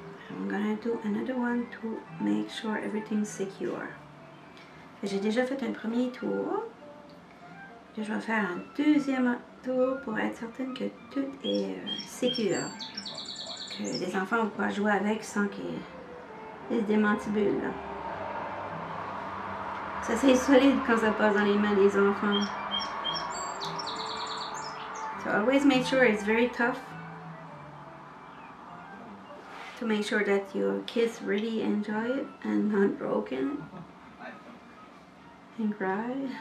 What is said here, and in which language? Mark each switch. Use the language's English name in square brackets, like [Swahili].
[English] I'm gonna do another one to make sure everything's secure. [French] J'ai déjà fait un premier tour. Je vais faire un deuxième tour pour être certaine que tout est secure. Que les enfants vont pouvoir jouer avec sans qu'ils se démantibulent. Ça, c'est solide quand ça passe dans les mains des enfants. [English] So, always make sure it's very tough to make sure that your kids really enjoy it and not broken and cry.